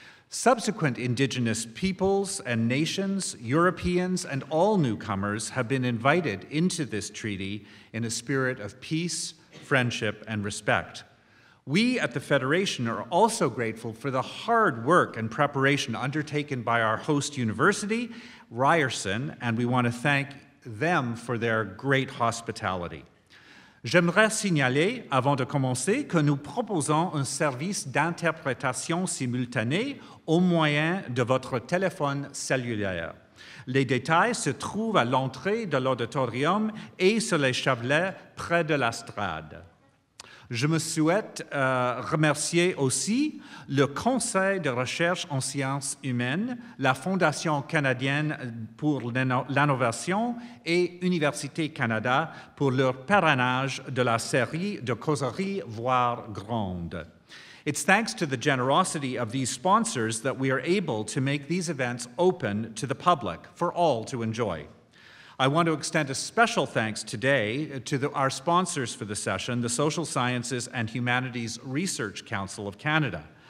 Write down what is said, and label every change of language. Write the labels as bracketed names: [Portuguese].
[English] Subsequent Indigenous peoples and nations, Europeans, and all newcomers have been invited into this treaty in a spirit of peace, friendship, and respect. We at the Federation are also grateful for the hard work and preparation undertaken by our host university, Ryerson, and we want to thank them for their great hospitality. [French] J'aimerais signaler, avant de commencer, que nous proposons un service d'interprétation simultanée au moyen de votre téléphone cellulaire. Les détails se trouvent à l'entrée de l'auditorium et sur les chapelets près de la strade. Je me souhaite remercier aussi le Conseil de recherche en sciences humaines, la Fondation canadienne pour l'innovation et Université Canada pour leur parrainage de la série de Causerie Voir grande. [English] It's thanks to the generosity of these sponsors that we are able to make these events open to the public for all to enjoy. I want to extend a special thanks today to our sponsors for the session, the Social Sciences and Humanities Research Council of Canada.